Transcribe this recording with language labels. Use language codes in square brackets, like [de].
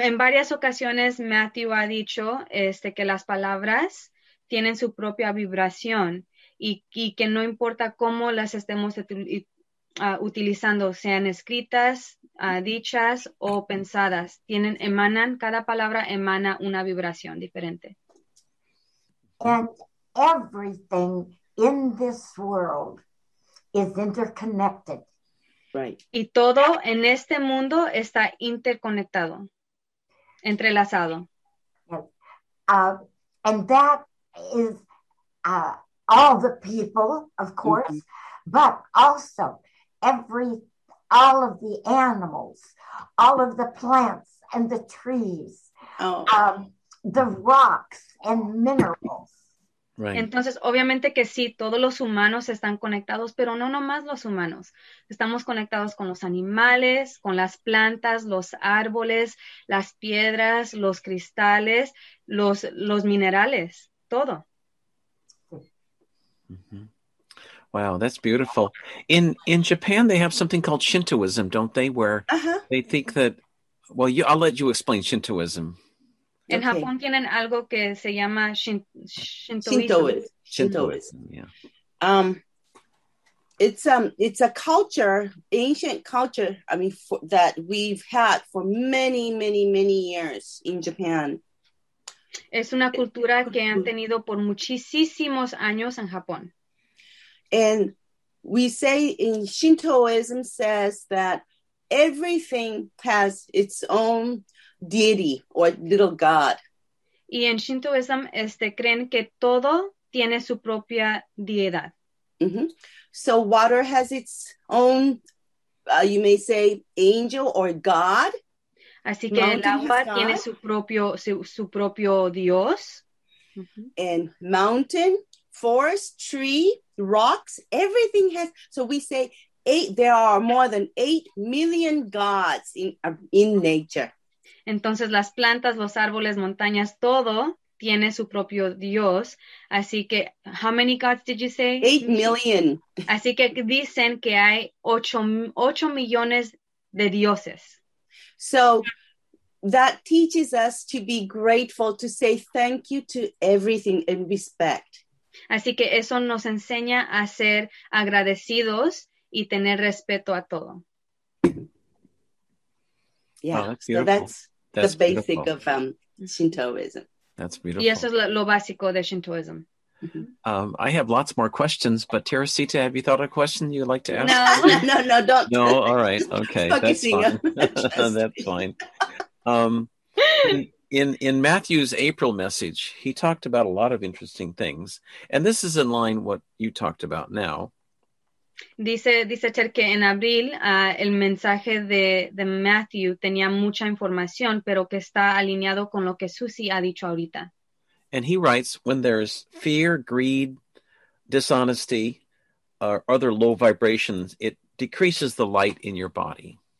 [es] En varias ocasiones, Matthew ha dicho que las palabras tienen su propia vibración y que no importa cómo las estemos utilizando, sean escritas, dichas o pensadas, cada palabra emana una vibración diferente. [en] And everything in this world is interconnected. Right. [es] Y todo en este mundo está interconectado, entrelazado. [en] And that is all the people, of course, mm-hmm. but also all of the animals, all of the plants and the trees, the rocks and minerals. Right. [es] Entonces, obviamente que sí, todos los humanos están conectados, pero no nomás los humanos. Estamos conectados con los animales, con las plantas, los árboles, las piedras, los cristales, los minerales, todo. [en] Mm-hmm. Wow, that's beautiful. In Japan, they have something called Shintoism, don't they? Where uh-huh. they think that, I'll let you explain Shintoism. [es] En okay. Japón tienen algo que se llama Shintoism. [en] Shintoism. It's a culture, ancient culture, that we've had for many, many, many years in Japan. [es] Es una cultura que han tenido por muchísimos años en Japón. [en] And we say in Shintoism says that everything has its own deity or little god. [es] Y en Shintoism creen que todo tiene su propia deidad. [en] Mm-hmm. So water has its own, you may say, angel or god. [es] Así que mountain el agua tiene su propio dios. [en] Mm-hmm. And mountain, forest, tree, rocks, everything has. So we say there are more than 8 million gods in nature. [es] Entonces las plantas, los árboles, montañas, todo tiene su propio dios. Así que [en] how many gods did you say? 8 million. [es] Así que dicen que hay 8 millones de dioses. [en] So that teaches us to be grateful, to say thank you to everything and respect. [es] Así que eso nos enseña a ser agradecidos y tener respeto a todo. [en] Yeah, wow, that's the basic beautiful. Of Shintoism. That's beautiful. [es] Y eso es lo básico de Shintoism. Mm-hmm. [en] I have lots more questions, but Teresita, have you thought of a question you'd like to ask? No, no, don't. No, all right, okay, that's fine. That's fine. In Matthew's April message, he talked about a lot of interesting things. And this is in line what you talked about now. [es] Dice Ter que en abril el mensaje de Matthew tenía mucha información, pero que está alineado con lo que Susie ha dicho ahorita. [en] And he writes, when there's fear, greed, dishonesty, or other low vibrations, it decreases the light in your body.